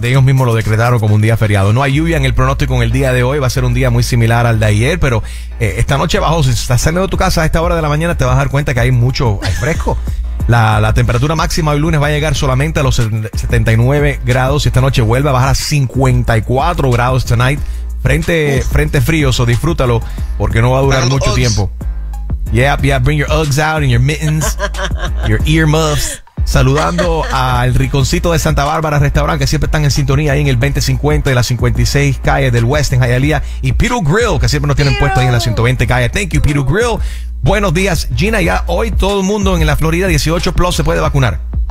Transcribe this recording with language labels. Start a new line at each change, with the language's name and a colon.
Spanish: Ellos mismos lo decretaron como un día feriado. No hay lluvia en el pronóstico en el día de hoy, va a ser un día muy similar al de ayer, pero esta noche bajó. Si estás saliendo de tu casa a esta hora de la mañana, te vas a dar cuenta que hay fresco. La temperatura máxima hoy lunes va a llegar solamente a los 79 grados y esta noche vuelve a bajar a 54 grados
English: tonight.
Spanish: Frente frío, so disfrútalo porque no va a durar mucho tiempo.
English: Yep, yep, bring your Uggs out and your mittens, your earmuffs.
Spanish: Saludando al Rinconcito de Santa Bárbara Restaurant, que siempre están en sintonía ahí en el 2050 de la 56 calle del West en Hialeah, y Peter Grill, que siempre nos tienen puesto ahí en la 120 calle.
English: Thank you,
Spanish: Peter Grill. Buenos días, Gina. Ya hoy todo el mundo en la Florida 18 plus se puede vacunar.